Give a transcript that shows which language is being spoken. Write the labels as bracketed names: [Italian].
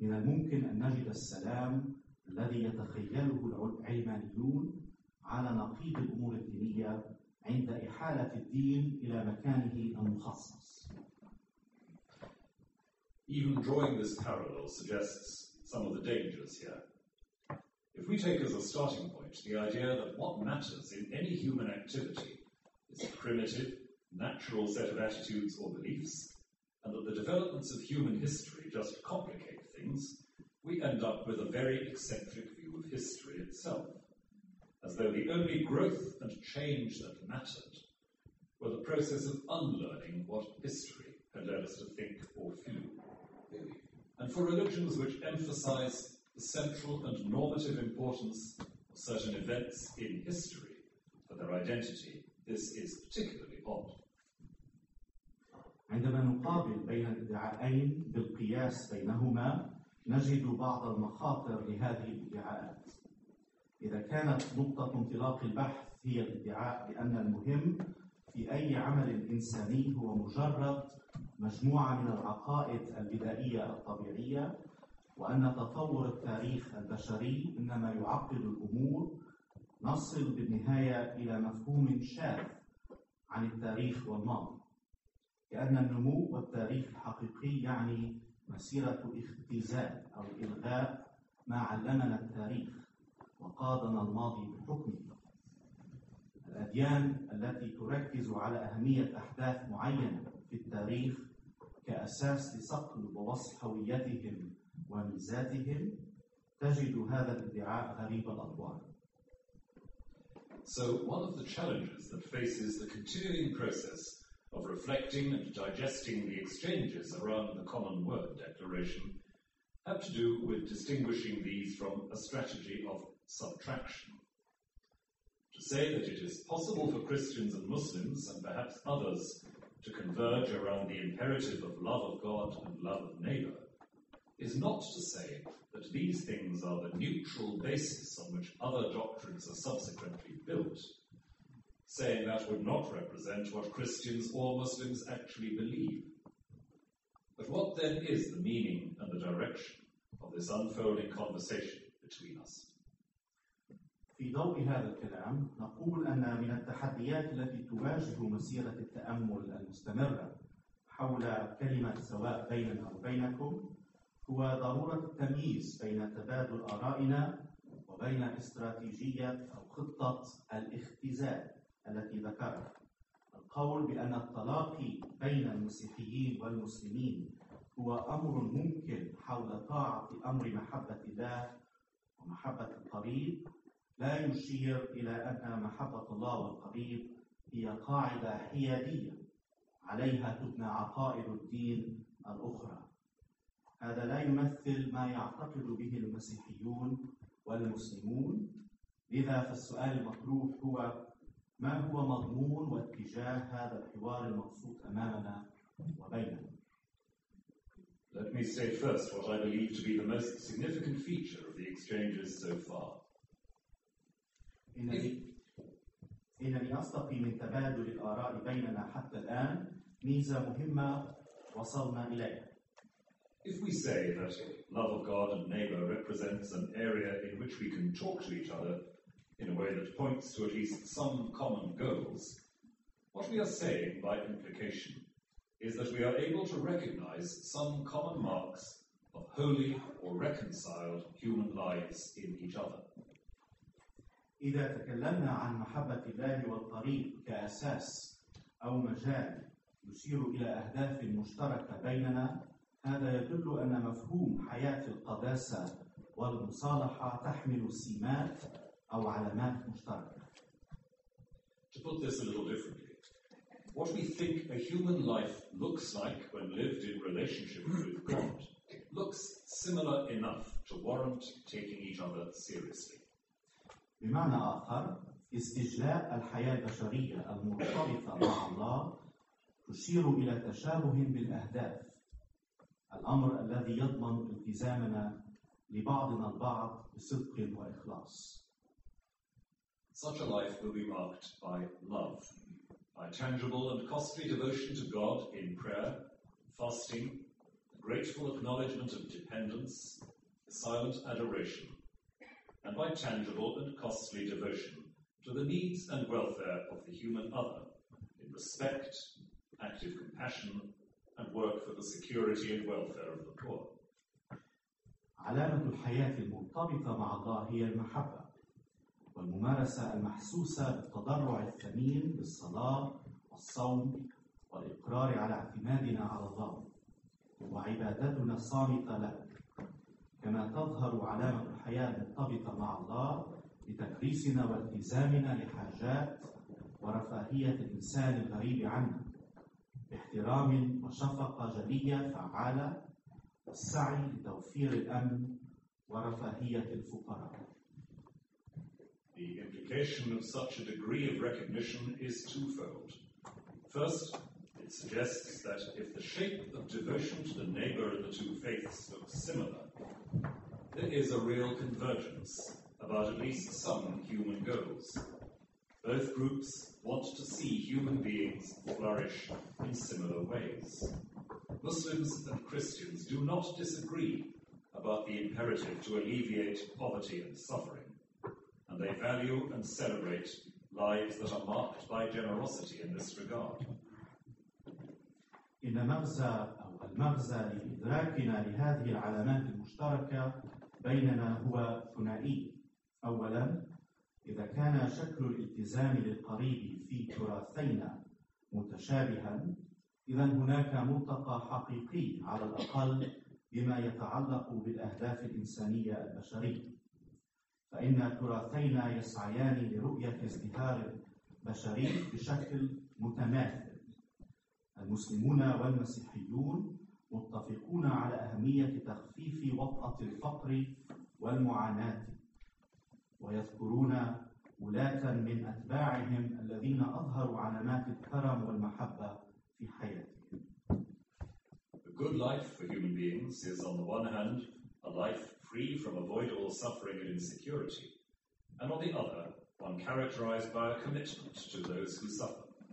[Arabic] ممكن أن نجد السلام الذي يتخيله العلمانيون على نقيض الأمور الدينية عند إحالة الدين إلى مكانه المخصص. [English] Even drawing this parallel suggests some of the dangers here. If we take as a starting point the idea that what matters in any human activity is a primitive, natural set of attitudes or beliefs, and that the developments of human history just complicate things, we end up with a very eccentric view of history itself, as though the only growth and change that mattered were the process of unlearning what history had led us to think or feel. And for religions which emphasize the central and normative importance of certain events in history for their identity, this is particularly odd. [Arabic] عندما نقابل بين الادعاءين بالقياس بينهما نجد بعض المخاطر لهذه الادعاءات. إذا كانت نقطة انطلاق البحث هي الادعاء بأن المهم في أي عمل إنساني هو مجرد مجموعة من العقائد البدائية الطبيعية وأن تطور التاريخ البشري إنما يعقد الأمور، نصل بالنهاية إلى مفهوم شاذ عن التاريخ والماضي، كأن النمو والتاريخ الحقيقي يعني مسيرة اختزال أو إلغاء ما علمنا التاريخ وقادنا الماضي بحكمه. الأديان التي تركز على أهمية أحداث معينة في التاريخ كأساس لصقل ووصف هويتهم وميزاتهم تجد هذا الادعاء غريب الأطوار. [English] So one of the challenges that faces the continuing process of reflecting and digesting the exchanges around the Common Word Declaration have to do with distinguishing these from a strategy of subtraction. To say that it is possible for Christians and Muslims, and perhaps others, to converge around the imperative of love of God and love of neighbor is not to say that these things are the neutral basis on which other doctrines are subsequently built. Saying that would not represent what Christians or Muslims actually believe. But what then is the meaning and the direction of this unfolding conversation between us? [Arabic] في ضوء هذا الكلام نقول أن من التحديات التي تواجه مسيرة التأمل المستمرة حول كلمة سواء بيننا وبينكم هو ضرورة التمييز بين تبادل آرائنا وبين استراتيجية أو خطة الاختزال التي ذكرها. القول بأن التلاقي بين المسيحيين والمسلمين هو أمر ممكن حول طاعة أمر محبة الله ومحبة القريب لا يشير إلى أن محبة الله والقريب هي قاعدة حيادية عليها تبنى عقائد الدين الأخرى. هذا لا يمثل ما يعتقد به المسيحيون والمسلمون. لذا فالسؤال المطروح هو ما هو مضمون واتجاه هذا الحوار المقصود أمامنا وبيننا؟ [English] Let me state first what I believe to be the most significant feature of the exchanges so far. [Arabic] إنني أستقي من تبادل الآراء بيننا حتى الآن ميزة مهمة وصلنا إليها. [English] If we say that love of God and neighbor represents an area in which we can talk to each other in a way that points to at least some common goals, what we are saying by implication is that we are able to recognize some common marks of holy or reconciled human lives in each other. [Arabic] إذا تكلمنا عن محبة الله والطريق كأساس أو مجال يشير إلى أهداف مشتركة بيننا هذا يدل أن مفهوم حياة القداسة والمصالحة تحمل سمات أو علامات مشتركة. [English] To put this a little differently, what we think a human life looks like when lived in relationship with God looks similar enough to warrant taking each other seriously. [Arabic] بمعنى آخر، استجلاء الحياة البشرية المرتبطة مع الله تشير إلى تشابه بالأهداف، الأمر الذي يضمن التزامنا لبعضنا البعض بصدق وإخلاص. [English] Such a life will be marked by love, by tangible and costly devotion to God in prayer, fasting, grateful acknowledgement of dependence, silent adoration, and by tangible and costly devotion to the needs and welfare of the human other, in respect, active compassion, and work for the security and welfare of the poor. [Arabic] علامة الحياة المرتبطة مع الله هي المحبة والممارسة المحسوسة بالتضرع الثمين بالصلاة والصوم والإقرار على اعتمادنا على الله وعبادتنا الصامتة له كما تظهر علامة الحياة المرتبطة مع الله بتكريسنا والتزامنا لحاجات ورفاهية الإنسان الغريب عنا باحترام وشفقة جلية فعالة السعي لتوفير الأمن ورفاهية الفقراء. [English] The implication of such a degree of recognition is twofold. First, it suggests that if the shape of devotion to the neighbor of the two faiths looks similar, there is a real convergence about at least some human goals. Both groups want to see human beings flourish in similar ways. Muslims and Christians do not disagree about the imperative to alleviate poverty and suffering, and they value and celebrate lives that are marked by generosity in this regard. [Arabic] إن مغزى أو المغزى لإدراكنا لهذه العلامات المشتركة بيننا هو ثنائي. أولاً، إذا كان شكل الالتزام للقريب في تراثينا متشابهاً، إذن هناك ملتقى حقيقي على الأقل بما يتعلق بالأهداف الإنسانية البشرية فإن تراثينا يسعيان لرؤية ازدهار بشري بشكل متماثل المسلمون والمسيحيون متفقون على أهمية تخفيف وطأة الفقر والمعاناة ويذكرون ولاة من أتباعهم الذين أظهروا علامات الكرم والمحبة [English] A good life for human beings is, on the one hand, a life free from avoidable suffering and insecurity, and on the other, one characterized by a commitment to those who suffer.